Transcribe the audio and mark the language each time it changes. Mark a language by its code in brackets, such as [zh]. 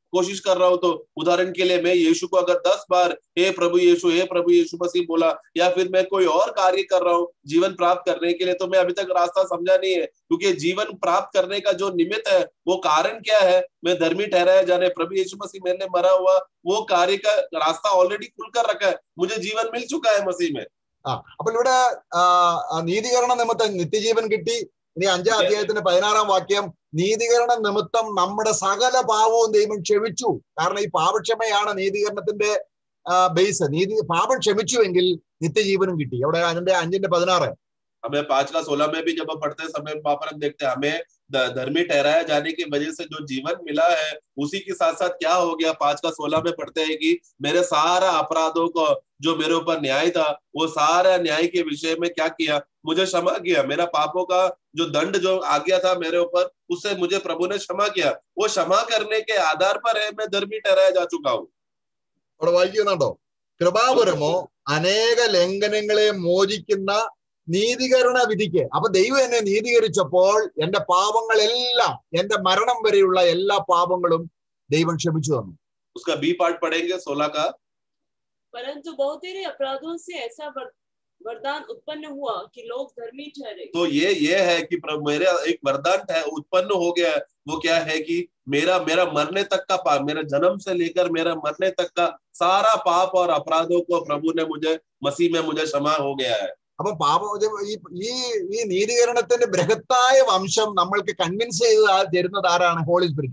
[hi] कोशिश कर रहा हो तो उदाहरण के लिए मैं यीशु को अगर 10 बार हे प्रभु यीशु मसीह बोला या फिर मैं कोई और कार्य कर रहा हूँ जीवन प्राप्त करने के लिए तो मैं अभी तक रास्ता समझा नहीं है क्योंकि जीवन प्राप्त करने का जो निमित्त है वो कारण क्या है मैं धर्मी ठहराया जाने प्रभु यीशु मसीह मैंने मरा हुआ वो कार्य का रास्ता ऑलरेडी खुलकर रखा है मुझे जीवन मिल चुका है मसीह में [ml] അപ്പൊ ഇവിടെ നീതികരണ നിമിത്തം നിത്യജീവൻ കിട്ടി ഇനി 5:16 നീതികരണ നിമിത്തം നമ്മുടെ സകല പാപവും ദൈവം ക്ഷമിച്ചു കാരണം ഈ പാപക്ഷമയാണ് നീതികരണത്തിന്റെ ബേസ് നീതി പാപം ക്ഷമിച്ചുവെങ്കിൽ നിത്യജീവനും കിട്ടി അവിടെ 5:16 [hi] हमें 5:16 में भी जब हम पढ़ते समय पापर हम देखते हैं हमें धर्मी ठहराया जाने की वजह से जो जीवन मिला है उसी के साथ साथ क्या हो गया 5:16 में पढ़ते हैं कि मेरे सारा अपराधों को जो मेरे ऊपर न्याय था वो सारा न्याय के विषय में क्या किया मुझे क्षमा किया मेरा पापों का जो दंड जो आ गया था मेरे ऊपर उससे मुझे प्रभु ने क्षमा किया वो क्षमा करने के आधार पर है मैं धर्मी ठहराया जा चुका हूँ [ml] कृपापरमो अनेक लंघनങ്ങളെ മോചിക്കുന്ന നീതികരണ വിധിക്ക് അപ്പൊ ദൈവം എന്നെ നീതീകരിച്ചപ്പോൾ എന്റെ പാപങ്ങളെല്ലാം എന്റെ മരണം വരെയുള്ള എല്ലാ പാപങ്ങളും ദൈവം ക്ഷമിച്ചു തന്നു [hi] उसका बी पार्ट पढ़ेंगे 16 का परंतु बहुत तेरे अपराधों से ऐसा वरदान उत्पन्न हुआ कि लोग धर्मी ठहरे तो ये है कि प्रभु मेरे एक वरदान है उत्पन्न हो गया है वो क्या है कि मेरा मरने तक का पाप मेरे जन्म से लेकर मेरा मरने तक का सारा पाप और अपराधों को प्रभु ने मुझे मसीह में मुझे क्षमा हो गया है [ml] അപ്പൊ പാപം ഈ ഈ നീതീകരണത്തിന്റെ ബൃഹത്തായ വംശം നമ്മൾക്ക് കൺവിൻസ് ചെയ്ത് തരുന്നത് ആരാണ് ഹോളി